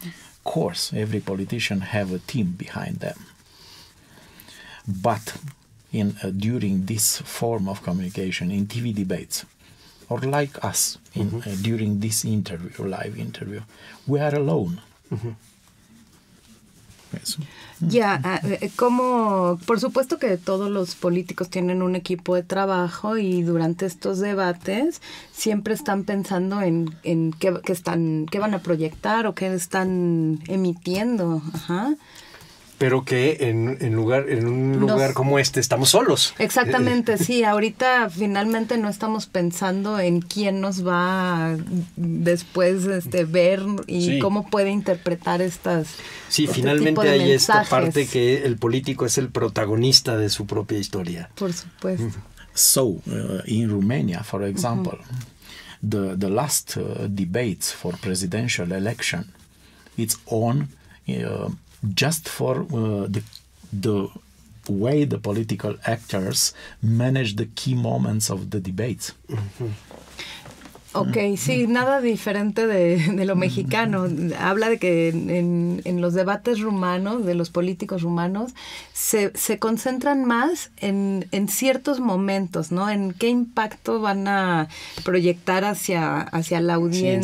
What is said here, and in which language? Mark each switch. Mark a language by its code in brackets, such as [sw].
[en] Of course, every politician have a team behind them. But in during this form of communication, in TV debates, or like us, in during this interview, live interview, we are alone. [es] Ya, como por supuesto que todos los políticos tienen un equipo de trabajo y durante estos debates siempre están pensando en qué van a proyectar o qué están emitiendo. Ajá. Pero que en un lugar nos, como este estamos solos. Exactamente, sí. Ahorita finalmente no estamos pensando en quién nos va después ver y cómo puede interpretar estas. Sí, finalmente hay esta parte que el político es el protagonista de su propia historia. Por supuesto. [en] So, in Romania, for example, the last debates for presidential election, it's on just for the way the political actors manage the key moments of the debates. [es] Okay, sí, nada diferente de lo mexicano. Habla de que en los debates rumanos, de los políticos rumanos, se concentran más en ciertos momentos, ¿no? En qué impacto van a proyectar hacia la audiencia.